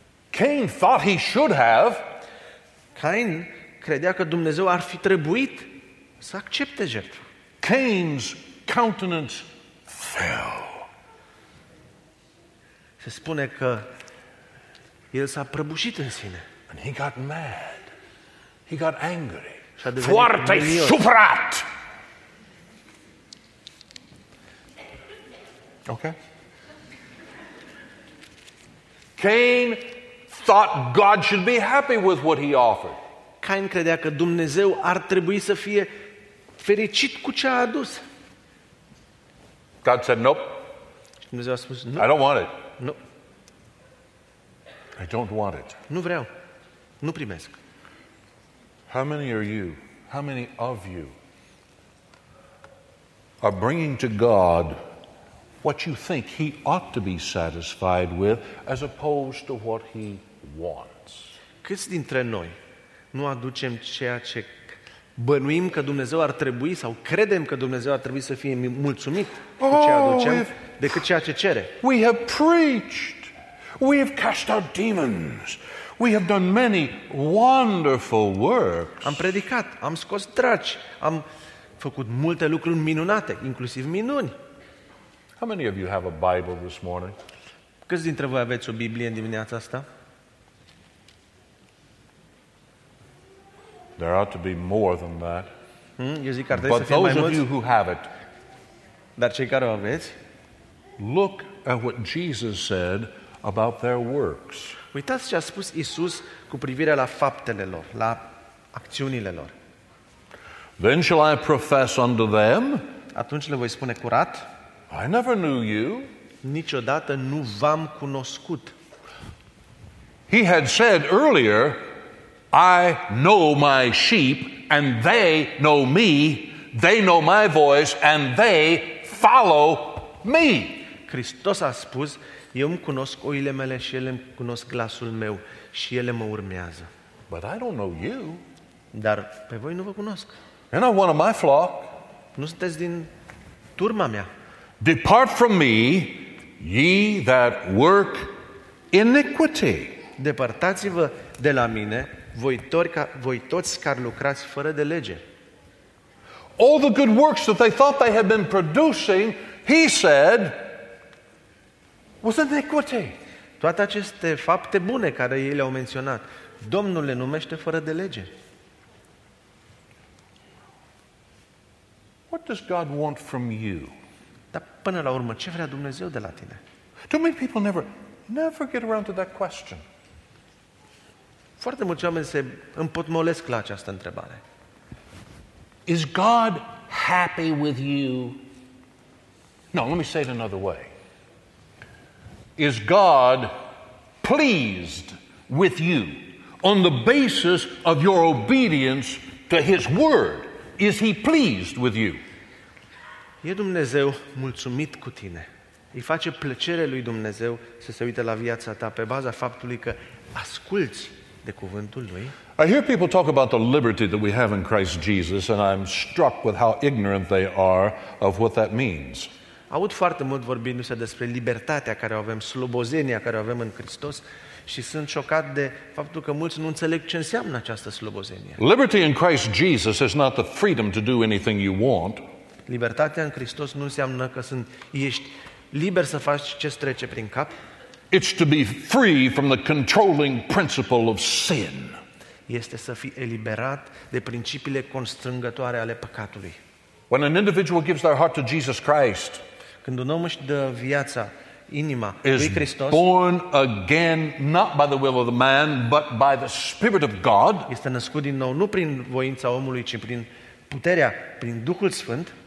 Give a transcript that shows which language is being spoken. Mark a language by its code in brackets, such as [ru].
[en] Cain thought he should have. [ro] Cain credea că Dumnezeu ar fi trebuit să accepte jertfa. [en] Cain's countenance fell. [ro] Se spune că el s-a prăbușit în sine. [en] And he got mad. He got angry. [ro] S-a devenit foarte milios. Supărat. [en] Okay. Cain thought God should be happy with what he offered. [ro] Cain credea că Dumnezeu ar trebui să fie fericit cu ce a adus. [en] God said nope. [ro] Și Dumnezeu a spus nu. [en] I don't want it. [ro] Nu. [en] I don't want it. [ro] Nu vreau. Nu primesc. [en] How many are you? How many of you are bringing to God what you think he ought to be satisfied with as opposed to what he wants? [ro] Câți dintre noi nu aducem ceea ce bănuim că Dumnezeu ar trebui sau credem că Dumnezeu ar trebui să fie mulțumit cu ce aducem decât ceea ce cere. [en] We have preached. We have cast out demons. We have done many wonderful works. [ro] Am predicat, am scos draci, am făcut multe lucruri minunate, inclusiv minuni. [en] How many of you have a Bible this morning? [ro] Câți dintre voi aveți o Biblie în dimineața asta? [en] There ought to be more than that. [ro] Eu zic că ar trebui [en] but [ro] să fie mai mulți. [en] But those of you who have it, [ro] dar cei care o aveți, [en] look at what Jesus said about their works. [ro] Uitați ce a spus Isus cu privire la faptele lor, la acțiunile lor. [en] Then shall I profess unto them? [ro] Atunci le voi spune curat. [en] I never knew you. [ro] Niciodată nu v-am cunoscut. [en] He had said earlier, I know my sheep and they know me. They know my voice and they follow me. [ro] Hristos a spus, eu îmi cunosc oile mele și ele îmi cunosc glasul meu și ele mă urmează. [en] But I don't know you. [ro] Dar pe voi nu vă cunosc. [en] You're not one of my flock. [ro] Nu sunteți din turma mea. [en] Depart from me, ye that work iniquity. [ro] Depărtați-vă de la mine, voi toți care lucrați fără de lege. [en] All the good works that they thought they had been producing, he said, was iniquity. [ro] Toate aceste fapte bune care ei le-au menționat, Domnul le numește fără de lege. [en] What does God want from you? [ro] Dar până la urmă, ce vrea Dumnezeu de la tine? [en] Too many people never get around to that question. [ro] Foarte mulți oameni se împotmolesc la această întrebare. [en] Is God happy with you? No, let me say it another way. Is God pleased with you on the basis of your obedience to his word? Is he pleased with you? [ro] E Dumnezeu mulțumit cu tine? Îi face plăcere lui Dumnezeu să se uite la viața ta pe baza faptului că asculți de cuvântul lui? [en] I hear people talk about the liberty that we have in Christ Jesus and I'm struck with how ignorant they are of what that means. [ro] Aud foarte mult vorbindu-se despre libertatea care o avem, slobozenia care o avem în Hristos și sunt șocat de faptul că mulți nu înțeleg ce înseamnă această slobozenie. [en] Liberty in Christ Jesus is not the freedom to do anything you want. [ro] Libertatea în Hristos nu înseamnă că ești liber să faci ce îți trece prin cap. [en] It's to be free from the controlling principle of sin. [ro] Este să fii eliberat de principiile constrângătoare ale păcatului. [en] When an individual gives their heart to Jesus Christ, [ro] când un om își dă viața, inima lui Hristos, [en] is born again not by the will of the man, but by the Spirit of God, [ro] este născut din nou nu prin voința omului, ci prin puterea, prin Duhul Sfânt,